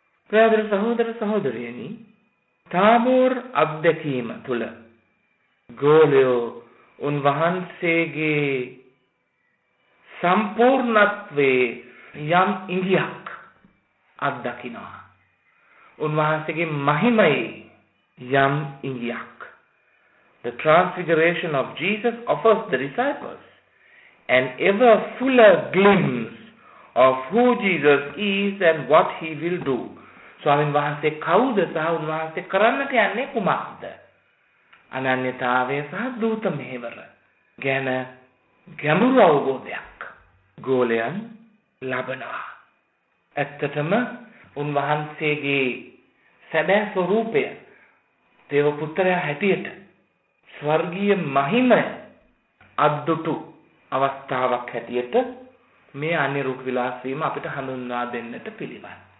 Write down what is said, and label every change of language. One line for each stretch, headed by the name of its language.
Sinhala: ප්‍රියදර සහෝදර සහෝදරියනි, තාමෝර් අධ්‍යක්ීම තුල ගෝලියෝ උන්වහන්සේගේ සම්පූර්ණත්වයේ යම් ඉඟියක් අත්දකිනවා. උන්වහන්සේගේ මහිමයේ යම් ඉඟියක්.
English: The transfiguration of Jesus offers the disciples an ever fuller glimpse of who Jesus is and what he will do.
Sinhala: ස්වාමීන් වහන්සේ කවුද සහ උන්වහන්සේ කරන්නට යන්නේ කුමක්ද? අනන්‍යතාවය සහ දූත මෙහෙවර ගැන ගැඹුරු අවබෝධයක් ගෝලයන් ලබනවා. ඇත්තටම උන්වහන්සේගේ සැබෑ ස්වરૂපය දේව පුත්‍රයා හැටියට ස්වර්ගීය මහිමය අද්දුටු අවස්ථාවක් හැටියට මේ අනිරුක් විලාසීම අපිට හඳුන්වා දෙන්නට පිළිවන්.